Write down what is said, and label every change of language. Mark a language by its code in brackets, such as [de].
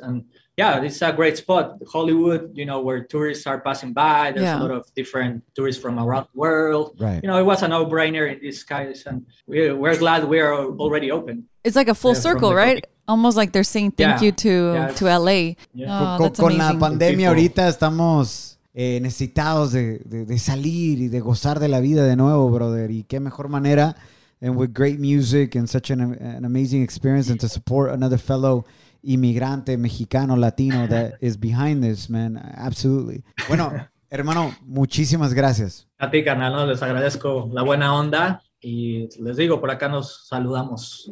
[en] And yeah, it's a great spot. Hollywood, you know, where tourists are passing by. There's a lot of different tourists from around the world. Right. You know, it was a no-brainer in disguise. And we're glad we are already open. It's like a full circle, right? Almost like they're saying thank you to LA. Yeah. [es] Con la pandemia ahorita estamos necesitados de salir y de gozar de la vida de nuevo, brother. Y qué mejor manera, [en] and with great music and such an amazing experience, and to support another fellow [es] inmigrante mexicano, [en] latino that is behind this, man. Absolutely. [es] Bueno, hermano, muchísimas gracias. A ti, carnal, ¿no? Les agradezco la buena onda. Y les digo, por acá nos saludamos.